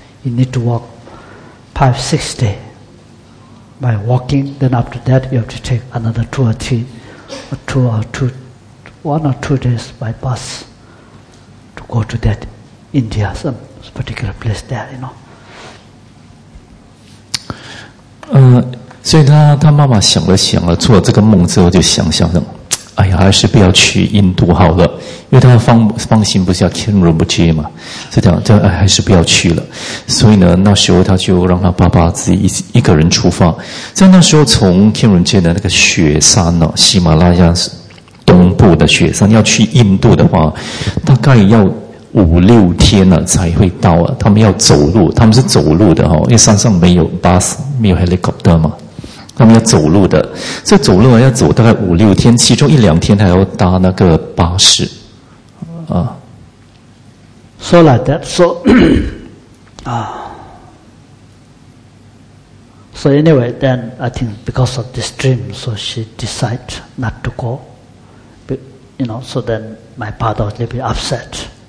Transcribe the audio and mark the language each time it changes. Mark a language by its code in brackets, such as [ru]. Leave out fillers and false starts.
[en] You need to walk 5-6 days. By walking, then after that, you have to take another 1 or 2 days by bus to go to that India, some particular place there, you know. [zh] 所以他妈妈想了想了，做了这个梦之后，就想想着，哎呀，还是不要去印度好了，因为他放心不下 Kieran 不接嘛，所以这样，哎，还是不要去了。所以呢，那时候他就让他爸爸自己一个人出发，在那时候从 Kieran 接的那个雪山呢，喜马拉雅东部的雪山，要去印度的话，大概要5、6天了才会到啊！他们要走路，他们是走路的哈，因为山上没有 bus， 没有 helicopter 嘛，他们要走路的。这走路要走大概5、6天，其中1、2天还要搭那个巴士啊。 [en] So like that, so 啊，so anyway, then I think because of this dream, so she decided not to go. But, you know, so then my father was a little bit upset.